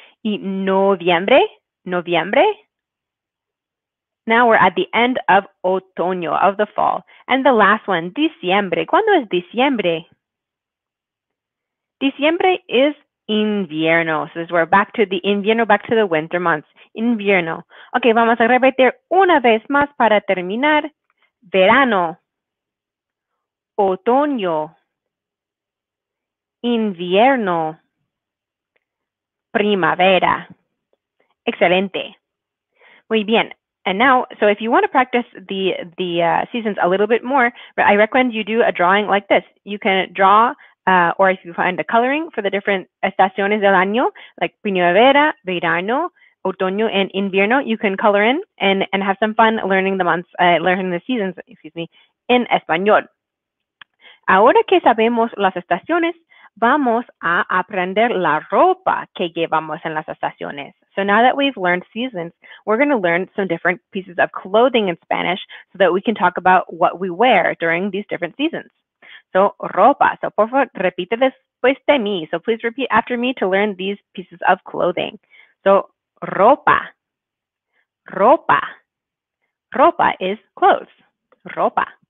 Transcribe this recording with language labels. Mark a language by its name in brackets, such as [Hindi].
[Spanish] ¿Y noviembre? Noviembre. [English] Now we're at the end of otoño, of the fall. And the last one, diciembre. [Spanish] ¿Cuándo es diciembre? Diciembre is invierno. [English] So we're back to the invierno, back to the winter months. [Spanish] Invierno. Okay, vamos a repetir una vez más para terminar. Verano. Otoño. Invierno. Primavera. Excelente. Muy bien. [English] And now, so if you want to practice the seasons a little bit more, I recommend you do a drawing like this. You can draw, or if you find a coloring for the different [Spanish] estaciones del año, [English] like primavera, verano, otoño, and invierno, you can color in and have some fun learning the months, learning the seasons, excuse me, [Spanish] en español. Ahora que sabemos las estaciones, vamos a aprender la ropa que llevamos en las estaciones. [English] So now that we've learned seasons, we're going to learn some different pieces of clothing in Spanish so that we can talk about what we wear during these different seasons. So ropa. So [Spanish] por favor, repite después de mí. [English] So please repeat after me to learn these pieces of clothing. So ropa. Ropa. Ropa is clothes. Ropa.